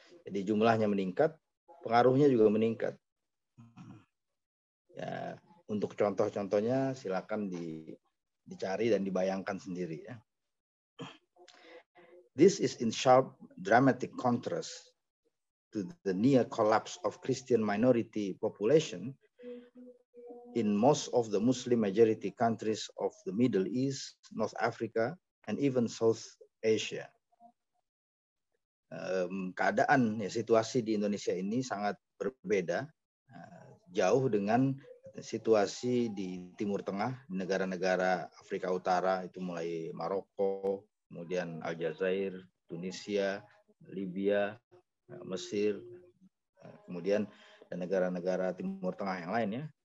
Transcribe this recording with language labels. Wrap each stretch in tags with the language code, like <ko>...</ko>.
<id>Jadi jumlahnya meningkat, pengaruhnya juga meningkat. Ya, untuk contoh-contohnya silakan dicari dan dibayangkan sendiri ya.</id> <en>This is in sharp dramatic contrast to the near collapse of Christian minority population in most of the Muslim majority countries of the Middle East, North Africa, and even South Asia.</en> <id>Keadaan ya, situasi di Indonesia ini sangat berbeda jauh dengan situasi di Timur Tengah, negara-negara Afrika Utara, itu mulai Maroko, kemudian Aljazair, Tunisia, Libya, Mesir, kemudian dan negara-negara Timur Tengah yang lain ya,</id>